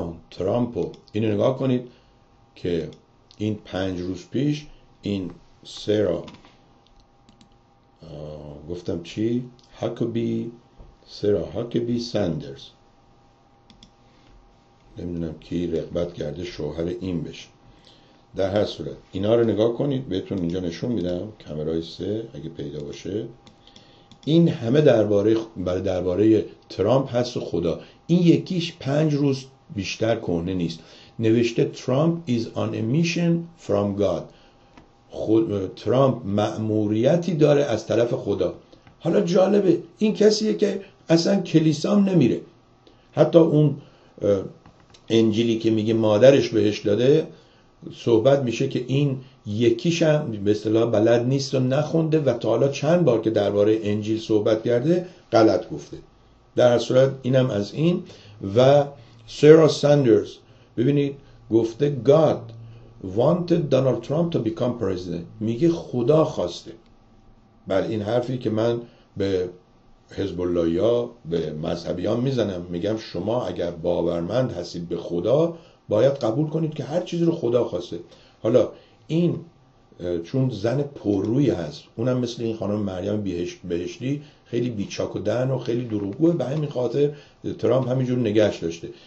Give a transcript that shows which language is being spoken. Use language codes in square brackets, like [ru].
[fa] ترامپو اینو نگاه کنید که این 5 روز پیش این سرا گفتم چی؟ هاکبی، سرا هاکبی ساندرز، نمیدونم کی رغبت کرده شوهر این بشه. در هر صورت اینا رو نگاه کنید، بهتون اینجا نشون میدم کامرای 3 اگه پیدا باشه. این همه درباره ترامپ هست و خدا. این یکیش 5 روز بیشتر کهنه نیست. نوشته [en] Trump is on a mission from God. [fa] ترامپ مأموریتی داره از طرف خدا. حالا جالبه این کسیه که اصلا کلیسا هم نمیره، حتی اون انجیلی که میگه مادرش بهش داده صحبت میشه که این یکیش هم به اصطلاح بلد نیست و نخونده و تا حالا چند بار که درباره انجیل صحبت کرده غلط گفته. در صورت اینم از این. و سارا ساندرز ببینید گفته [en] God wanted Donald Trump to become president. [fa] میگه خدا خواسته. بل این حرفی که من به حزب اللهیا، به مذهبیان میزنم، میگم شما اگر باورمند هستید به خدا باید قبول کنید که هر چیزی رو خدا خواسته. حالا این چون زن پررویی هست، اونم مثل این خانم مریم بهشتی خیلی بیچاک و دهن و خیلی دروغگوه، به همین خاطر ترامپ همینجور نگهش داشته.